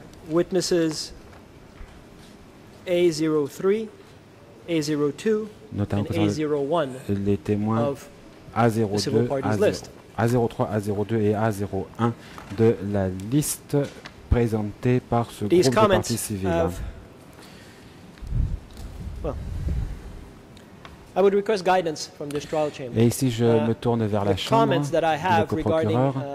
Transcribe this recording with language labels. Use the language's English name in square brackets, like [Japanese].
[English] Witnesses A03, A02, [French] notamment [English] and A01 [French] les témoins A02, A03, A02 et A01 de la liste présentée par ce groupe de parties civiles. [English] I would request guidance from this trial chamber. [French] Et ici, je me tourne vers la Chambre, le coprocureur.